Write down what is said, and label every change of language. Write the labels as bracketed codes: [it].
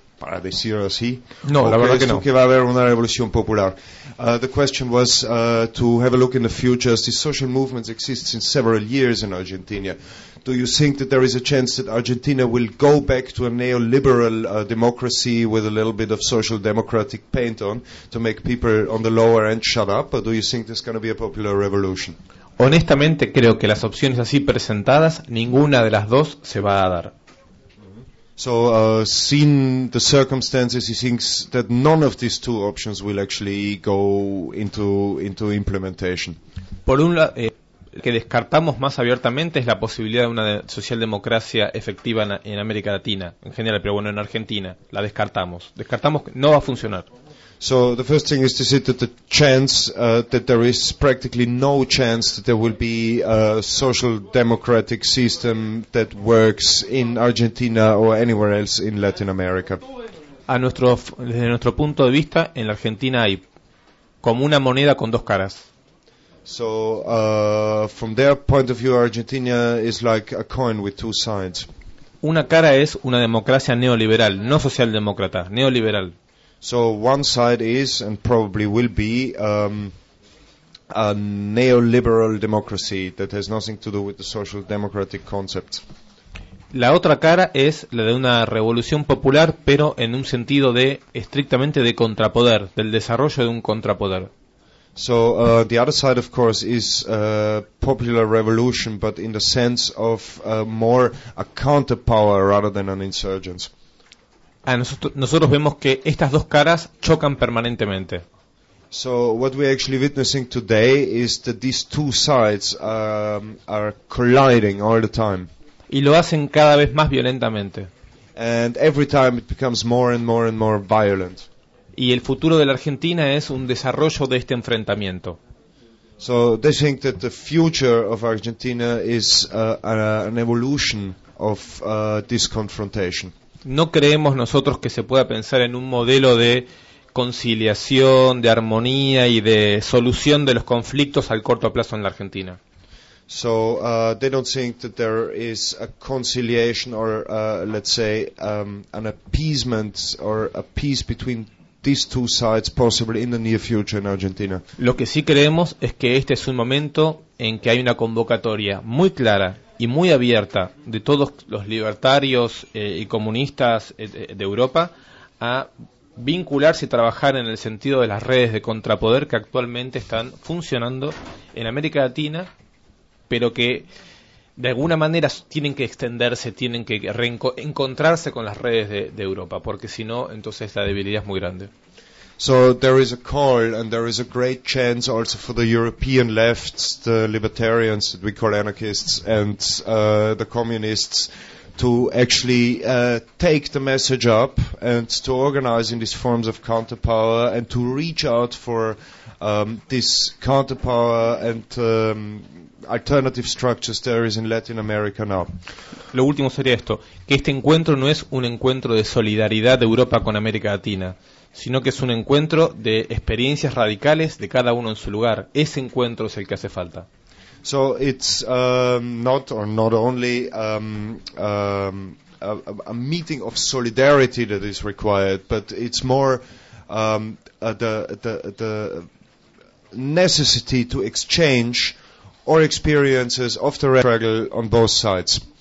[es] Para decirlo así, no, la verdad que no. Que va a haber una revolución popular. [en] The question was to have a look in the future. As these social movements exist in several years in Argentina, do you think that there is a chance that Argentina will go back to a neoliberal democracy with a little bit of social democratic paint on to make people on the lower end shut up, or do you think there's going to be a popular revolution? [es] Honestamente, creo que las opciones así presentadas, ninguna de las dos se va a dar. [en] So, seeing the circumstances, he thinks that none of these two options will actually go into implementation. [es] Por un lado, que descartamos más abiertamente es la posibilidad de una socialdemocracia efectiva en América Latina, en general, pero bueno, en Argentina, la descartamos. Descartamos que no va a funcionar. [en] So the first thing is to say that the chance that there is practically no chance that there will be a social democratic system that works in Argentina or anywhere else in Latin America. [es] Desde nuestro punto de vista, en la Argentina hay como una moneda con dos caras. [en] So from their point of view, Argentina is like a coin with two sides. [es] Una cara es una democracia neoliberal, no socialdemócrata, neoliberal. [en] So one side is and probably will be a neoliberal democracy that has nothing to do with the social democratic concept. [es] La otra cara es la de una revolución popular, pero en un sentido de estrictamente de contrapoder, del desarrollo de un contrapoder. [en] So the other side, of course, is popular revolution, but in the sense of more a counterpower rather than an insurgence. [es] A nosotros vemos que estas dos caras chocan permanentemente. [en] So what we're actually witnessing today is that these two sides are colliding all the time. [es] Y lo hacen cada vez más violentamente. [en] And every time it becomes more and more and more violent. [es] Y el futuro de la Argentina es un desarrollo de este enfrentamiento. [en] So they think that the future of Argentina is an evolution of this confrontation. [es] No creemos nosotros que se pueda pensar en un modelo de conciliación, de armonía y de solución de los conflictos al corto plazo en la Argentina. [en] So they don't think that there is a conciliation or let's say an appeasement or a peace between these two sides possible in the near future in Argentina. [es] Lo que sí creemos es que este es un momento en que hay una convocatoria muy clara y muy abierta de todos los libertarios y comunistas de Europa a vincularse y trabajar en el sentido de las redes de contrapoder que actualmente están funcionando en América Latina, pero que de alguna manera tienen que extenderse, tienen que reencontrarse con las redes de Europa, porque si no, entonces la debilidad es muy grande. [en] So there is a call and there is a great chance also for the European left, the libertarians that we call anarchists and the communists to actually take the message up and to organize in these forms of counterpower and to reach out for this counterpower and alternative structures there is in Latin America now. [es] Lo último sería esto, que este encuentro no es un encuentro de solidaridad de Europa con América Latina, sino que es un encuentro de experiencias radicales de cada uno en su lugar. Ese encuentro es el que hace falta. [en] So it's not only a meeting of solidarity that is required, but it's more the necessity to exchange our experiences of the struggle on both sides.